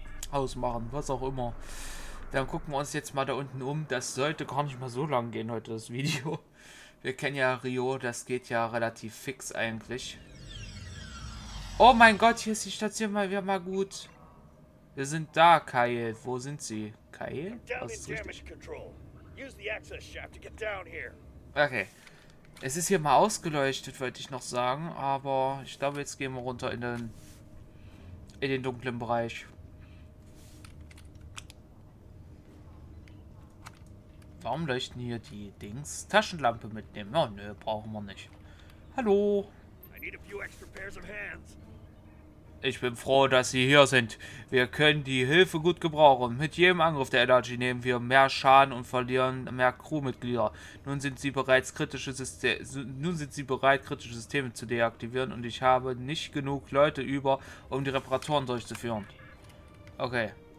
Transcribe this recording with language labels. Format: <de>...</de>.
<de>Ausmachen, was auch immer. Dann gucken wir uns jetzt mal da unten um. Das sollte gar nicht mal so lang gehen heute, das Video. Wir kennen ja Rio, das geht ja relativ fix eigentlich. Oh mein Gott, hier ist die Station mal wieder mal gut. Wir sind da, Kyle. Wo sind Sie? Kyle?</de> <en>Down</en> <de>Das</de> <en>in</en> <de>ist richtig.</de> <en>damage control. Use the access shaft to get down here. Okay.</en> <de>Es ist hier mal ausgeleuchtet, wollte ich noch sagen, aber ich glaube, jetzt gehen wir runter in den dunklen Bereich. Warum leuchten hier die Dings? Taschenlampe mitnehmen. Oh, nö, brauchen wir nicht. Hallo.</de> <en>I need a few extra pairs of hands.</en> <de>Ich bin froh, dass Sie hier sind. Wir können die Hilfe gut gebrauchen. Mit jedem Angriff der Energy nehmen wir mehr Schaden und verlieren mehr Crewmitglieder. Nun sind Sie bereit, kritische Systeme zu deaktivieren und ich habe nicht genug Leute über, um die Reparaturen durchzuführen. Okay.</de>